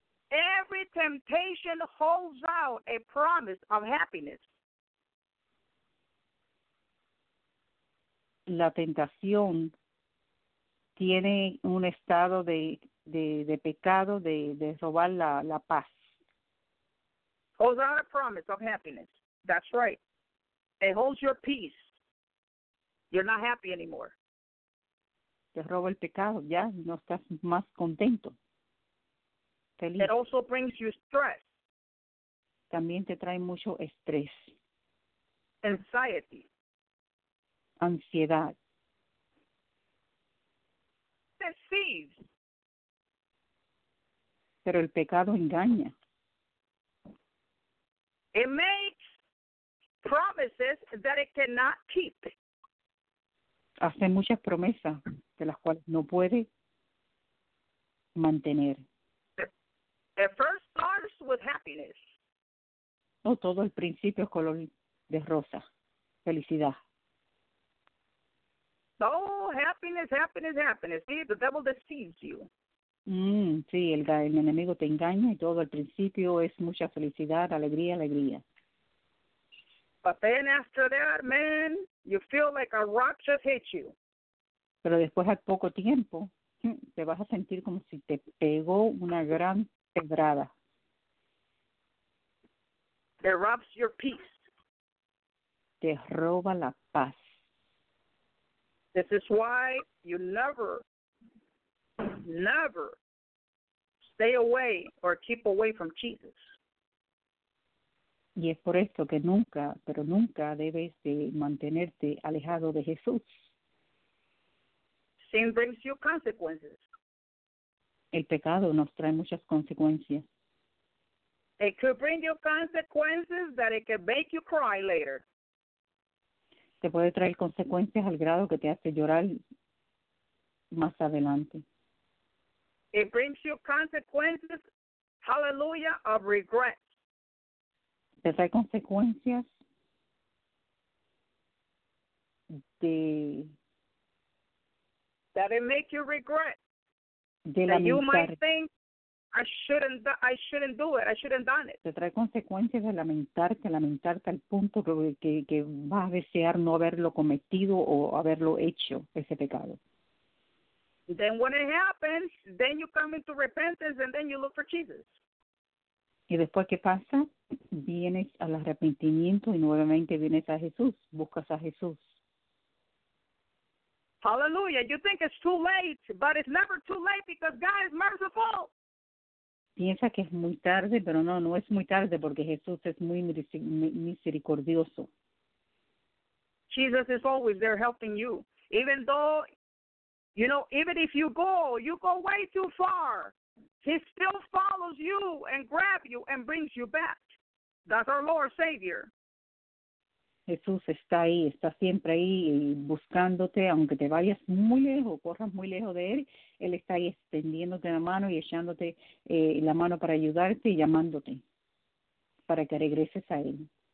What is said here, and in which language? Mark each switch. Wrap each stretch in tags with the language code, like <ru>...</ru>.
<en>Every temptation holds out a promise of happiness.</en> <es>La tentación tiene un estado de pecado, de robar la paz.</es> <en>Holds out a promise of happiness. That's right. It holds your peace. You're not happy anymore.</en> <es>Te roba el pecado, ya no estás más contento. Feliz.</es> <en>It also brings you stress.</en> <es>También te trae mucho estrés.</es> <en>Anxiety.</en> <es>Ansiedad.</es> <en>Deceives.</en> <es>Pero el pecado engaña.</es> <en>It makes promises that it cannot keep.</en> <es>Hace muchas promesas de las cuales no puede mantener.</es> <en>It first starts with happiness.</en> <es>No, todo el principio es color de rosa. Felicidad.</es> <en>Oh, happiness, happiness, happiness. See, the devil deceives you.</en> <es>Sí, el enemigo te engaña y todo al principio es mucha felicidad, alegría, alegría.</es> <en>But then after that, man, you feel like a rock just hit you.</en> <es>Pero después al poco tiempo, te vas a sentir como si te pegó una gran pedrada.</es> <en>It robs your peace.</en> <es>Te roba la paz.</es> <en>This is why you never, never stay away or keep away from Jesus.</en> <es>Y es por esto que nunca, pero nunca debes de mantenerte alejado de Jesús.</es> <en>Sin brings you consequences.</en> <es>El pecado nos trae muchas consecuencias.</es> <en>It could bring you consequences that it could make you cry later.</en> <es>Te puede traer consecuencias al grado que te hace llorar más adelante.</es> <en>It brings you consequences, hallelujah, of regret.</en> <es>Te trae consecuencias de...</es> <en>That it make you regret.</en> <es>De</es> <en>that you might think, I shouldn't do it, I shouldn't done it.</en> <es>Te trae consecuencias de lamentarte al punto que vas a desear no haberlo cometido o haberlo hecho, ese pecado.</es> <en>Then when it happens, then you come into repentance and then you look for Jesus.</en> <es>Y después, ¿qué pasa? Vienes al arrepentimiento y nuevamente vienes a Jesús, buscas a Jesús.</es> <en>Hallelujah. You think it's too late, but it's never too late because God is merciful.</en> <es>Piensa que es muy tarde, pero no, no es muy tarde porque Jesús es muy misericordioso.</es> <en>Jesus is always there helping you. Even though, you know, even if you go way too far, He still follows you and grabs you and brings you back. That's our Lord Savior.</en> <es>Jesús está ahí, está siempre ahí buscándote, aunque te vayas muy lejos, corras muy lejos de Él, Él está ahí extendiéndote la mano y echándote la mano para ayudarte y llamándote para que regreses a Él.</es>